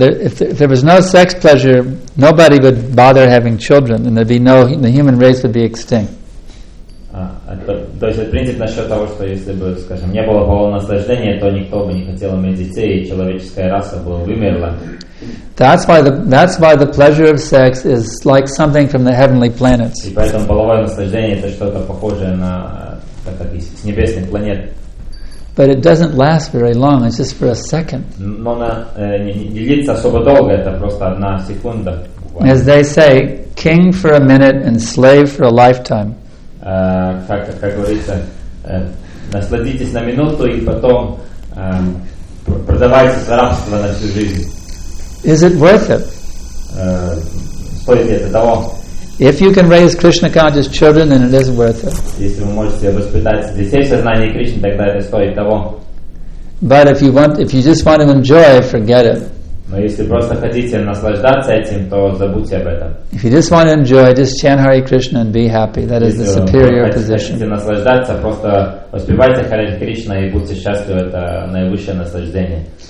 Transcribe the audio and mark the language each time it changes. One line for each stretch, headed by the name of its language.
English: If there was no sex pleasure, nobody would bother having children, and there'd be no the human race would be extinct.
Russian: То есть принцип насчет того, что если бы, скажем, не было полного наслаждения, то никто бы не хотел иметь детей, и человеческая раса бы вымерла.
English: That's why the pleasure of sex is like something from the heavenly planets.
Russian: И поэтому половое наслаждение это что-то похожее на как с небесных планет.
English: But it doesn't last very long. It's just for a second.
Russian: Но на не длится особо долго. Это просто одна секунда.
English: As they say, king for a minute and slave for a lifetime.
Russian: Как говорится, насладитесь на минуту и потом продавайтесь в рабство на всю жизнь.
English: Is it worth it?
Russian: Стоит ли это того?
English: If you can raise Krishna conscious children, then it is worth it.
Russian: Если вы можете воспитать детей в сознании Кришны, тогда это стоит того.
English: But if you just want to enjoy, forget it.
Russian: Но если просто хотите наслаждаться этим, то забудьте об этом.
English: If you just want to enjoy, just chant Hare Krishna and be happy. That is the superior position.
Russian: Если наслаждаться, просто воспевайте Hare Krishna и будьте счастливы. Это наивысшее наслаждение.